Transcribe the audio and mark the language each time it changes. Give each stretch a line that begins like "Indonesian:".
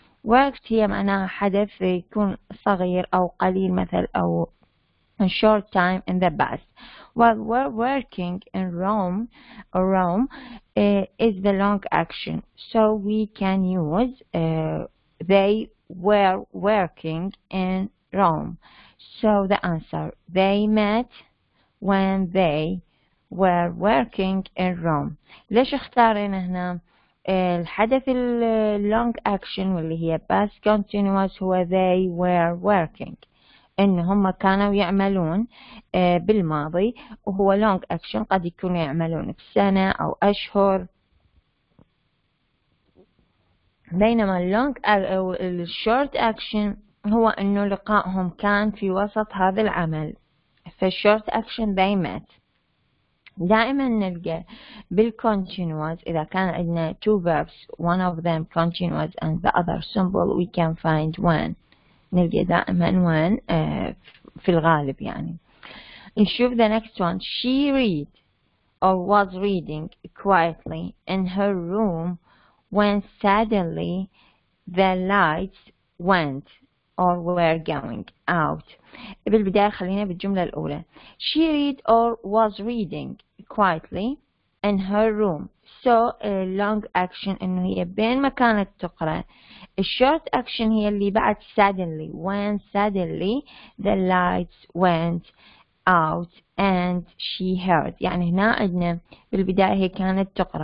English: Worked
Arabic: هي معناها حدث يكون صغير أو قليل مثل أو
English: in short time in the past. While we're working in Rome, or Rome is the long action. So we can use they were working in Rome. So the answer, they met when they were working in Rome.
Arabic: ليش اختارين هنا الحدث
English: long action
Arabic: واللي هي past continuous هو
English: they were working.
Arabic: إن هم كانوا يعملون بالماضي وهو
English: long action
Arabic: قد يكونوا يعملون في سنة أو أشهر، بينما
English: long short action
Arabic: هو إنه لقائهم كان في وسط هذا العمل.
English: في short action they met.
Arabic: دائما نلقى بالcontinuous إذا كان عندنا
English: two verbs one of them continuous and the other simple we can find when.
Arabic: نلقى دائما when في الغالب يعني.
English: نشوف the next one. She read or was reading quietly in her room when suddenly the lights went or were going out.
Arabic: بالبداية خلينا بالجملة الأولى.
English: She read or was reading quietly in her room. So long action
Arabic: إنه هي بين ما كانت تقرأ.
English: Short action
Arabic: هي اللي بعد suddenly.
English: When suddenly the lights went out and she heard.
Arabic: يعني هنا عندنا بالبداية هي كانت تقرأ.